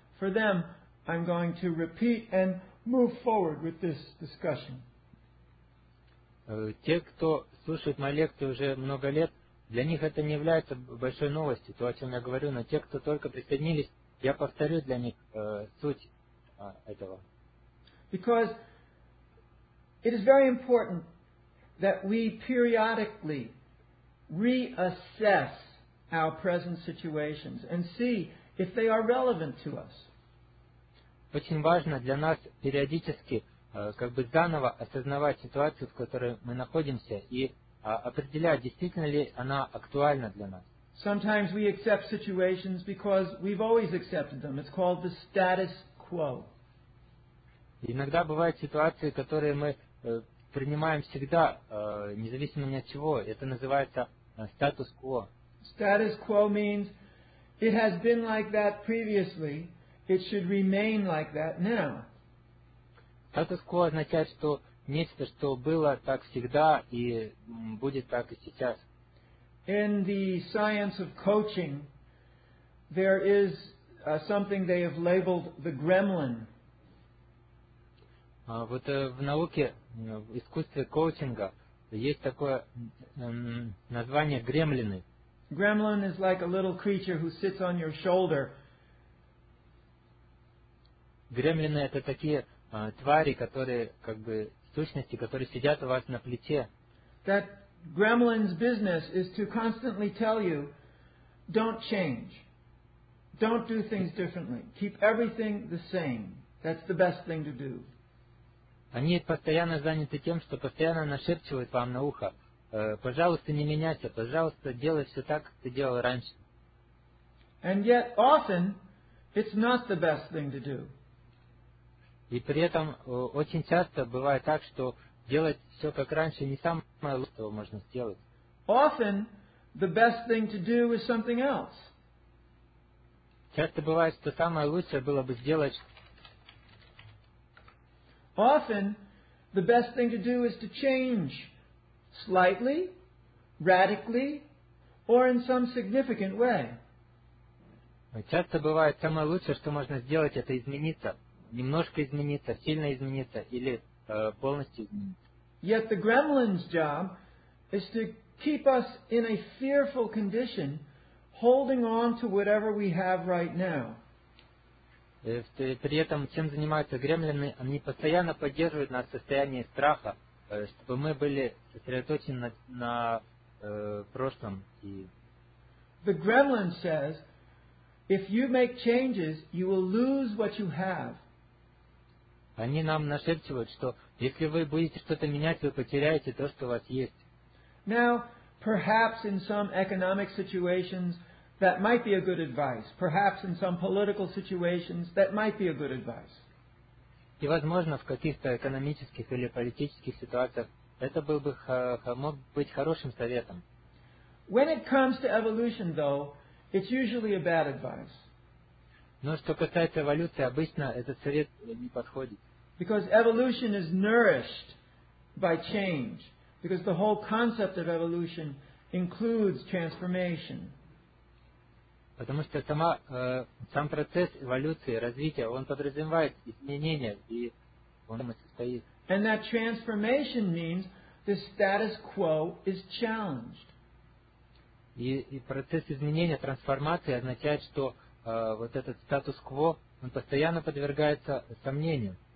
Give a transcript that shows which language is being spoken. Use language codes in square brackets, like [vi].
[en] For them, I'm going to repeat and move forward with this discussion. [ru] Те, кто слушает мои лекции уже много лет, для них это не является большой новостью, то, о чем я говорю, но те, кто только присоединились, я повторю для них суть этого. [en] Because it is very important that we periodically reassess our present situations and see if they are relevant to us. [ru] Очень важно для нас периодически как бы заново осознавать ситуацию, в которой мы находимся, и определять, действительно ли она актуальна для нас. [en] Sometimes we accept situations because we've always accepted them. It's called the status quo. [ru] Иногда бывают ситуации, которые мы принимаем всегда, независимо ни от чего. Это называется status quo. [en] Status quo means it has been like that previously. It should remain like that now. [ru] Статус-кво означает, что нечто, что было так всегда и будет так и сейчас. [en] In the science of coaching, there is something they have labeled the gremlin. [ru] Вот в науке, в искусстве коучинга, есть такое название гремлины. [en] Gremlin is like a little creature who sits on your shoulder. [ru] Гремлины — это такие твари, которые, как бы, сущности, которые сидят у вас на плече. [en] That gremlin's business is to constantly tell you, don't change. Don't do things differently. Keep everything the same. That's the best thing to do. [ru] Они постоянно заняты тем, что постоянно нашепчивают вам на ухо, пожалуйста, не меняйся, пожалуйста, делай все так, как ты делал раньше. [en] And yet, often, it's not the best thing to do. [ru] И при этом очень часто бывает так, что делать все как раньше не самое лучшее, что можно сделать. [en] Often the best thing to do is something else. [ru] Часто бывает, что самое лучшее было бы сделать. [en] Often the best thing to do is to change slightly, radically, or in some significant way. [ru] Часто бывает, самое лучшее, что можно сделать, это измениться. Немножко измениться, сильно измениться или полностью измениться. [en] Yet the gremlin's job is to keep us in a fearful condition, holding on to whatever we have right now. [ru] При этом, чем занимаются гремлины, они постоянно поддерживают нас в состоянии страха, чтобы мы были сосредоточены на прошлом. [en] The gremlin says, if you make changes, you will lose what you have. [ru] Они нам нашепчивают, что если вы будете что-то менять, вы потеряете то, что у вас есть. [en] Now, perhaps in some economic situations, that might be a good advice. Perhaps in some political situations, that might be a good advice. [ru] И возможно, в каких-то экономических или политических ситуациях это был бы, мог быть хорошим советом. [en] When it comes to evolution, though, it's usually a bad advice. [ru] Но что касается эволюции, обычно этот совет не подходит. [en] Because evolution is nourished by change. Because the whole concept of evolution includes transformation. [ru] Потому что сам процесс эволюции, развития, он подразумевает изменения, и он там и состоит. [en] And that transformation means the status quo is challenged. [ru] И процесс изменения, трансформации означает, что вот этот статус-кво, он постоянно подвергается сомнению.